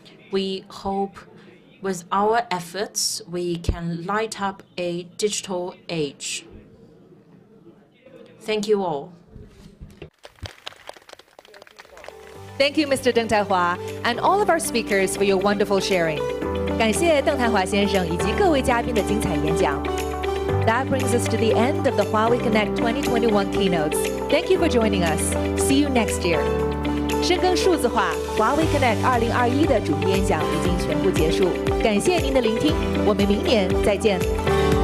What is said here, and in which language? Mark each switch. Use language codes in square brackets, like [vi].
[en] We hope with our efforts, we can light up a digital age. Thank you all. Thank you, Mr. Deng Taihua, and all of our speakers for your wonderful sharing. [zh] 感谢邓太华先生以及各位嘉宾的精彩演讲。 [en] That brings us to the end of the Huawei Connect 2021 keynotes. Thank you for joining us. See you next year. [zh] 深耕数字化，华为 Connect 2021的主题演讲已经全部结束，感谢您的聆听，我们明年再见。